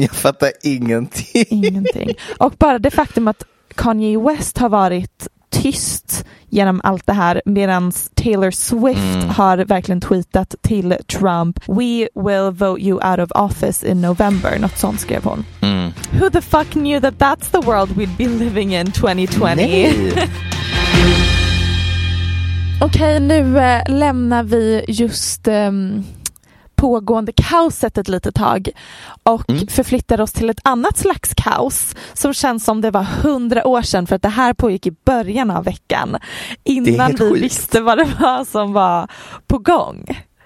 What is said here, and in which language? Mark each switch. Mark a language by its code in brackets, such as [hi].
[sv] Jag fattar ingenting. Ingenting. Och bara det faktum att Kanye West har varit tyst genom allt det här medan Taylor Swift har verkligen tweetat till Trump, [en] "We will vote you out of office in November", [sv] något sånt skrev hon. Mm. [en] Who the fuck knew that that's the world we'd be living in 2020? [sv] Okej, nu lämnar vi just pågående kaoset ett litet tag och förflyttar oss till ett annat slags kaos som känns som det var 100 år sedan, för att det här pågick i början av veckan innan vi visste vad det var som var på gång.